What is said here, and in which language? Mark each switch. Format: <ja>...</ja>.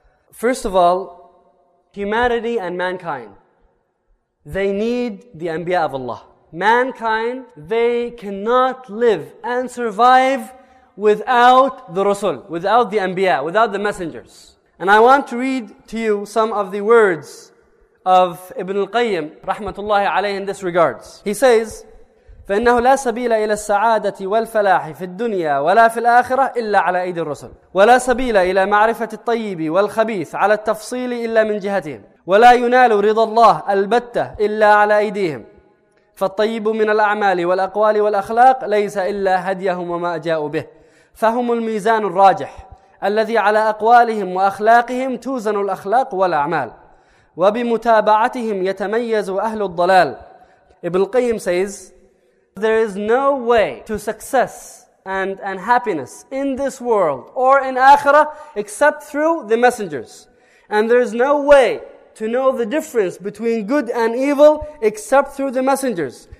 <en>First of all, humanity and mankind, they need the Anbiya of Allah. Mankind, they cannot live and survive without the Rasul, without the Anbiya, without the messengers. And I want to read to you some of the words of Ibn al-Qayyim, rahmatullahi alayhi, in this regards. He says,</en> <ar>فإنه لا سبيل إلى السعادة والفلاح في الدنيا ولا في الآخرة إلا على أيدي الرسل ولا سبيل إلى معرفة الطيب والخبيث على التفصيل إلا من جهتهم ولا ينال رضا الله البتة إلا على أيديهم فالطيب من الأعمال والأقوال والأخلاق ليس إلا هديهم وما جاءوا به فهم الميزان الراجح الذي على أقوالهم وأخلاقهم توزن الأخلاق والأعمال وبمتابعتهم يتميز أهل الضلال.</ar> <en>Ibn al-Qayyim says, there is no way to success and happiness in this world or in Akhirah except through the messengers. And there is no way to know the difference between good and evil except through the messengers.</en>